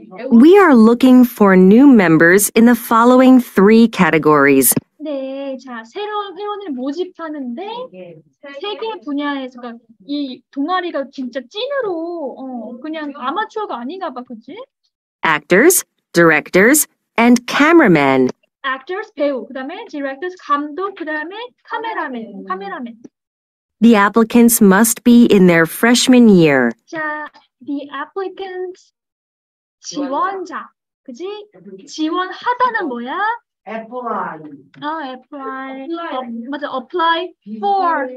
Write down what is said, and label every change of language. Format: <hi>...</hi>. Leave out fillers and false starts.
<en>We are looking for new members in the following three categories.</en> <ko>네, 자 새로운 회원을 모집하는데 세 개 분야에서 이 동아리가 진짜 찐으로 그냥 아마추어가 아닌가 봐, 그치?</ko> <en>Actors, directors, and cameramen.</en> <ko>Actors, 배우, 그 다음에 directors, 감독, 그 다음에 카메라맨, 카메라맨.</ko> <en>The applicants must be in their freshman year.</en> <ko>자,</ko> <en>the applicants.</en> <ko>지원자, 그지? 지원하다는 뭐야?</ko> <en>Apply. 아, apply. 맞아, apply for.</en>